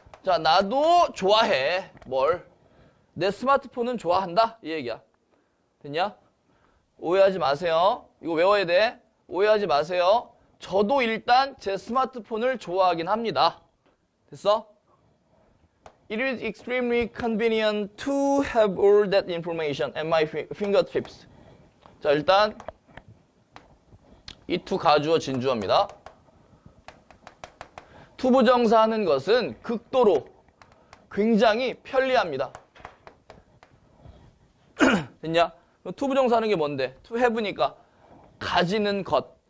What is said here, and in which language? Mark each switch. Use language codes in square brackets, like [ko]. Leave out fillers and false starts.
[ko] 자, 나도 좋아해. 뭘? 내 스마트폰은 좋아한다. 이 얘기야. 됐냐? 오해하지 마세요. 이거 외워야 돼. 오해하지 마세요. 저도 일단 제 스마트폰을 좋아하긴 합니다. 됐어? [en] It is extremely convenient to have all that information at my fingertips. [ko] 자, 일단 이 to 가주어 진주어입니다. to 부정사하는 것은 극도로 굉장히 편리합니다. 됐냐? to 부정사하는 게 뭔데? to have니까 가지는 것.